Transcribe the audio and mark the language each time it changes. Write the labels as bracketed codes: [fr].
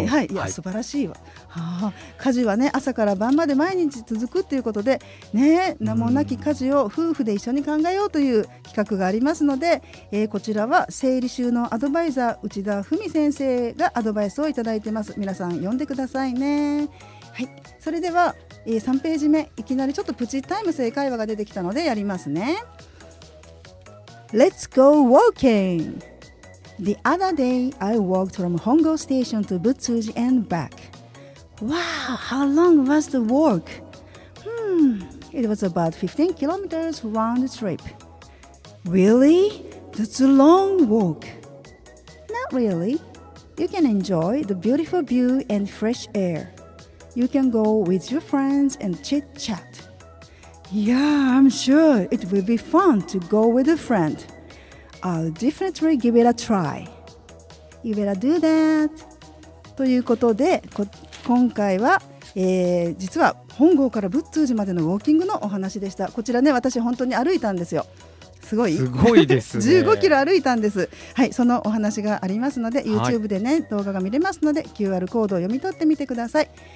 [ja] はいはい、いや、はい、素晴らしいわ。はあ、家事はね、朝から晩まで毎日続くということでね、名もなき家事を夫婦で一緒に考えようという企画がありますので、こちらは整理収納アドバイザー内田文先生がアドバイスをいただいてます。皆さん読んでくださいね。はい、それでは、3ページ目、いきなりちょっとプチタイム正会話が出てきたのでやりますね。 [en] Let's go walking. The other day I walked from Hongo Station to Butsuji and backWow, how long was the walk? It was about 15 kilometers round trip. Really? That's a long walk. Not really. You can enjoy the beautiful view and fresh air. You can go with your friends and chit chat. Yeah, I'm sure it will be fun to go with a friend. I'll definitely give it a try. You better do that. [ja] ということで今回は、実は本郷から仏通寺までのウォーキングのお話でした。こちらね、私本当に歩いたんですよ。すごい、すごいですね。 15キロ歩いたんです。はい、そのお話がありますので YouTube でね、はい、動画が見れますので QR コードを読み取ってみてください。